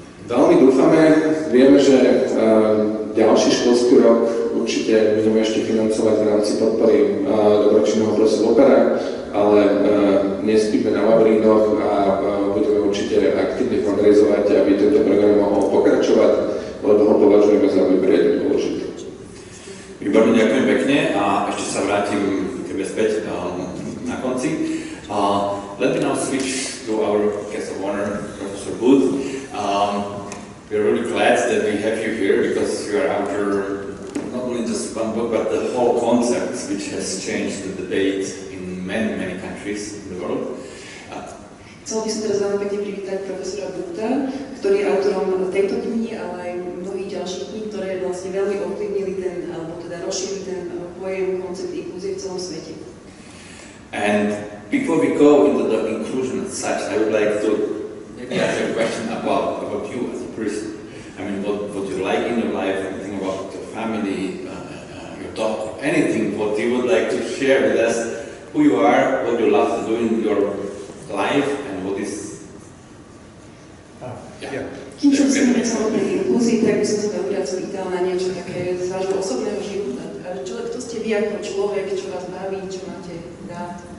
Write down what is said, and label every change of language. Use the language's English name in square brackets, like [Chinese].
[Slovak] Veľmi dúfame, vieme, že ďalší školský rok určite budeme ešte financovať v rámci podpory dobročinného prosu opera, ale nespíme na Vavrínoch a budeme určite aktívne fundraizovať, aby tento program mohol pokračovať, lebo ho považujeme za veľmi dôležitý. Výborne, ďakujem pekne a ešte sa vrátim k tebe späť na konci. [English] Let me now switch to our guest of honor, Professor Booth. We are really glad that we have you here because you are after not only just one book, but the whole concept which has changed the debate in many, many countries in the world. [Slovak] Chcel by som teraz veľmi pekne privítať profesora Bootha, ktorý je autorom tejto knihy, ale aj mnohých ďalších kníh, ktoré vlastne veľmi ovplyvnili ten, alebo teda rozšírili ten pojem koncept inkluzie v celom svete. [English] And before we go into the inclusion as such, I would like to ask a question about you as a person. I mean, what you like in your life, anything about your family, your dog, anything, what you would like to share with us, who you are, what you love to do in your life, and what is... [Slovak] Kým som si nechal úplne inkluzí, tak by som sa tam viac spýtal na niečo také z vášho osobného života. Čo, kto ste vy ako človek, čo vás baví, čo máte rád?